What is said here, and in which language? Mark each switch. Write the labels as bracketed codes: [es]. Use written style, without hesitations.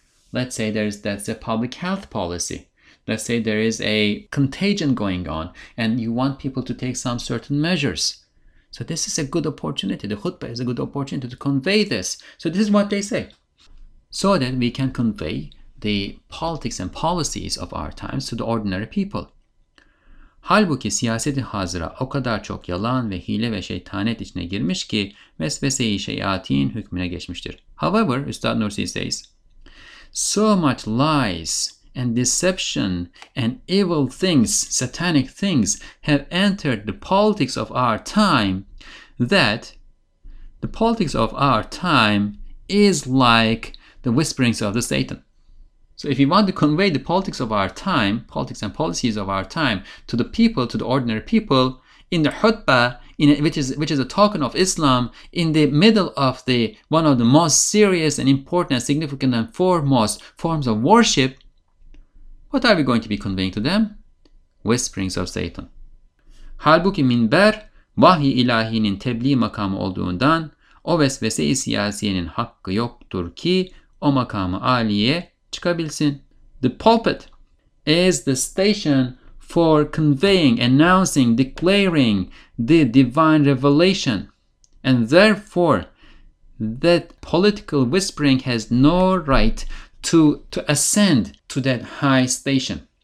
[en] Let's say that's a public health policy. Let's say there is a contagion going on and you want people to take some certain measures. So this is a good opportunity. The khutbah is a good opportunity to convey this. So this is what they say. so that we can convey the politics and policies of our times to the ordinary people. [tr] Halbuki siyaset-i hazıra o kadar çok yalan ve hile ve şeytanet içine girmiş ki vesvese-i şeyatin hükmüne geçmiştir. [en] However, Üstad Nursi says, so much lies and deception and evil things, satanic things, have entered the politics of our time that the politics of our time is like the whisperings of the Satan. So if you want to convey the politics of our time, politics and policies of our time, to the people, to the ordinary people, in the khutbah, which is a token of Islam, in the middle of the one of the most serious and important and significant and foremost forms of worship, what are we going to be conveying to them? Whisperings of Satan. [tr] Halbuki minber, vahyi ilahinin tebliğ makamı olduğundan, o vesvese-i siyasiyenin hakkı yoktur ki, o makamı aliye çıkabilsin. [en] The pulpit is the station for conveying, announcing, declaring the divine revelation. And therefore, that political whispering has no right to ascend to that high station.